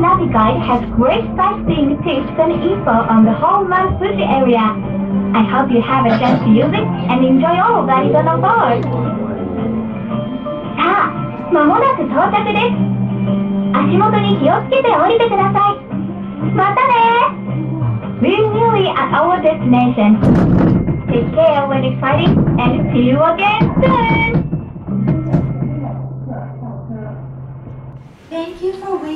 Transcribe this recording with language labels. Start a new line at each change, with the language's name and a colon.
English: Guide has great sightseeing tips and info on the whole Mount Fuji area. I hope you have a chance to use it and enjoy all that is on board.
Japanese: さあ、まもなく到着です。足元に気をつけて降りてください。またね。
English: We're nearly at our destination. Take care when exciting and see you again soon.